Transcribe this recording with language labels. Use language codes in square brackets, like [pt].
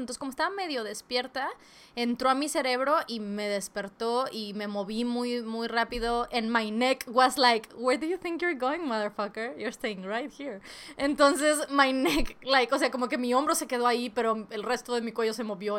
[es] Entonces, como estaba medio despierta, entró a mi cerebro y me despertó y me moví muy, muy rápido. [en] And my neck was like, where do you think you're going, motherfucker? You're staying right here. [es] Entonces, [en] my neck, like, [es] o sea, como que mi hombro se quedó ahí, pero el resto de mi cuello se movió.